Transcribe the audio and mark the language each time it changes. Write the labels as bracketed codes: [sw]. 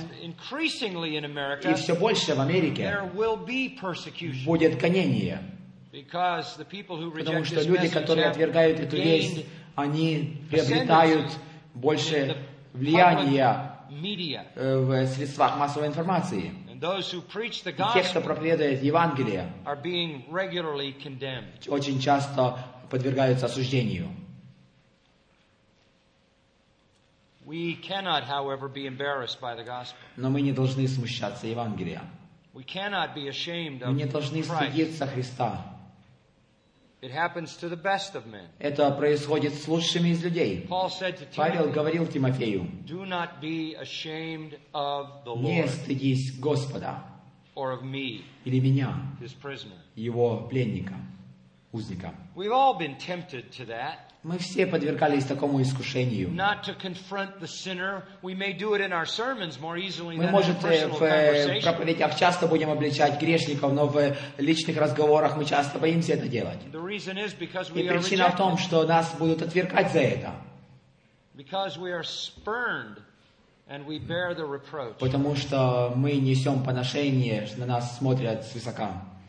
[ru] И все больше в Америке будет гонение, потому что люди, которые отвергают эту вещь, они приобретают больше влияния в средствах массовой информации. [en] Those who preach the gospel, [ru] и те, кто проповедует Евангелие, [en] are being regularly condemned. [ru] Очень часто подвергаются осуждению. [en] We cannot, however, be embarrassed by the gospel. [ru] Но мы не должны смущаться Евангелия. [en] We cannot be ashamed of Christ. [ru] Мы не должны стыдиться Христа. [en] It happens to the best of men. [ru] Это происходит с лучшими из людей. [en] Paul said to [ru] Timothy, Павел говорил Тимофею, [en] do not be ashamed of the Lord. [ru] Не стыдись Господа. [en] Or of me, [ru] или меня. [en] His prisoner. [ru] Его пленника. Узника. [en] We've all been tempted to that. [ru] Мы все подвергались такому искушению. [en] Not to confront the sinner. We may do it in our sermons more easily than in personal conversation. [ru] Мы, может, в проповедях часто будем обличать грешников, но в личных разговорах мы часто боимся это делать. [en] The reason is because we are rejected. [ru] И причина в том, что нас будут отвергать за это. [en] Because we are spurned and we bear the reproach. [ru] Потому что мы несем поношение, что на нас смотрят свысока.